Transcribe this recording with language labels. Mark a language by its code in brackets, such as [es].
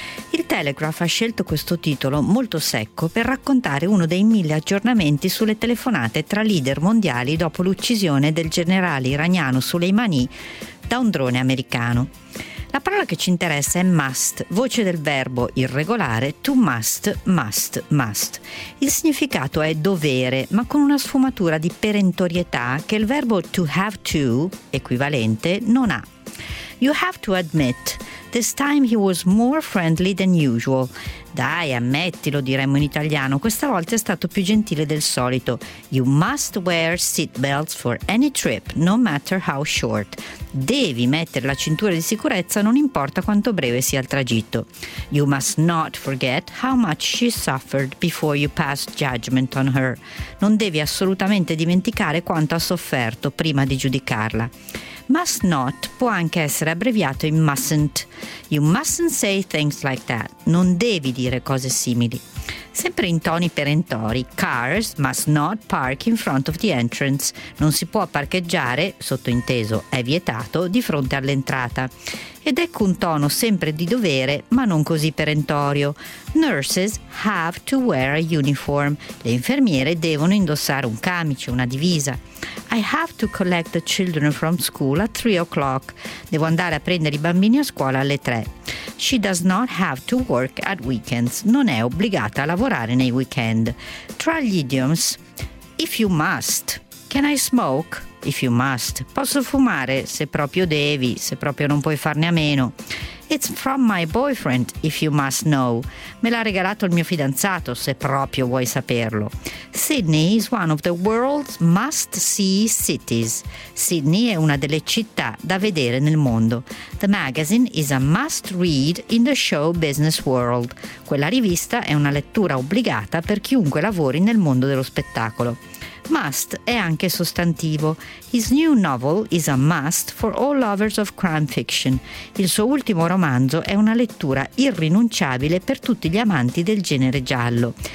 [it] Il Telegraph ha scelto questo titolo molto secco per raccontare uno dei mille aggiornamenti sulle telefonate tra leader mondiali dopo l'uccisione del generale iraniano Soleimani da un drone americano. La parola che ci interessa è must, voce del verbo irregolare to must, must, must. Il significato è dovere, ma con una sfumatura di perentorietà che il verbo to have to, equivalente, non ha. [en] You have to admit, this time he was more friendly than usual. [it] Dai, ammettilo, diremmo in italiano, questa volta è stato più gentile del solito. [en] You must wear seatbelts for any trip, no matter how short. [it] Devi mettere la cintura di sicurezza, non importa quanto breve sia il tragitto. [en] You must not forget how much she suffered before you passed judgment on her. [it] Non devi assolutamente dimenticare quanto ha sofferto prima di giudicarla. Must not può anche essere abbreviato in mustn't. [en] You mustn't say things like that. [it] Non devi dire cose simili. Sempre in toni perentori, [en] cars must not park in front of the entrance. [it] Non si può parcheggiare, sottointeso è vietato, di fronte all'entrata. Ed ecco un tono sempre di dovere, ma non così perentorio. [en] Nurses have to wear a uniform. [it] Le infermiere devono indossare un camice, una divisa. [en] I have to collect the children from school at 3 o'clock. [it] Devo andare a prendere i bambini a scuola alle 3. [en] She does not have to work at weekends. [it] Non è obbligata a lavorare nei weekend. Tra gli idioms, [en] if you must. Can I smoke? If you must. [it] Posso fumare? Se proprio devi, se proprio non puoi farne a meno. [en] It's from my boyfriend, if you must know. [it] Me l'ha regalato il mio fidanzato, se proprio vuoi saperlo. [en] Sydney is one of the world's must-see cities. [it] Sydney è una delle città da vedere nel mondo. [en] The magazine is a must-read in the show business world. [it] Quella rivista è una lettura obbligata per chiunque lavori nel mondo dello spettacolo. Must è anche sostantivo. [en] His new novel is a must for all lovers of crime fiction. [it] Il suo ultimo romanzo è una lettura irrinunciabile per tutti gli amanti del genere giallo.